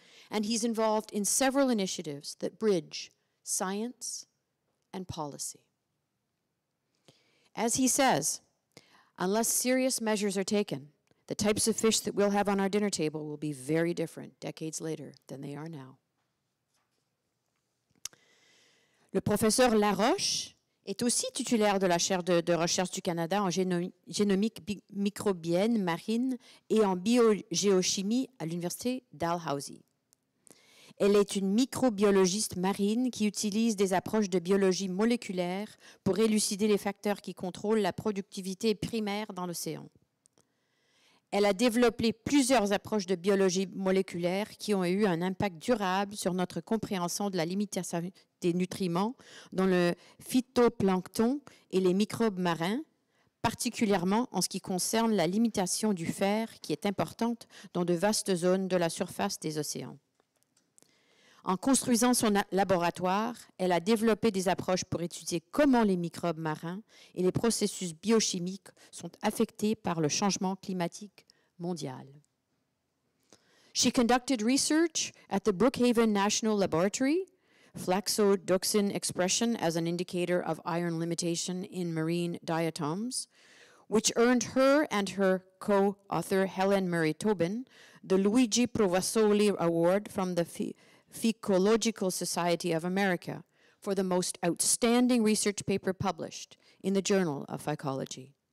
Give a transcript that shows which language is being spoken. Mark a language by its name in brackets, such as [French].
[English] And he's involved in several initiatives that bridge science and policy. As he says, unless serious measures are taken, the types of fish that we'll have on our dinner table will be very different decades later than they are now. [French] Le professeur Laroche est aussi titulaire de la chaire de recherche du Canada en génomique microbienne marine et en biogéochimie à l'université Dalhousie. Elle est une microbiologiste marine qui utilise des approches de biologie moléculaire pour élucider les facteurs qui contrôlent la productivité primaire dans l'océan. Elle a développé plusieurs approches de biologie moléculaire qui ont eu un impact durable sur notre compréhension de la limitation des nutriments dans le phytoplancton et les microbes marins, particulièrement en ce qui concerne la limitation du fer qui est importante dans de vastes zones de la surface des océans. En construisant son laboratoire, elle a développé des approches pour étudier comment les microbes marins et les processus biochimiques sont affectés par le changement climatique mondial. [English] She conducted research at the Brookhaven National Laboratory, flaxodoxin expression as an indicator of iron limitation in marine diatoms, which earned her and her co-author Helen Murray Tobin the Luigi Provasoli Award from the Phycological Society of America for the most outstanding research paper published in the Journal of Phycology.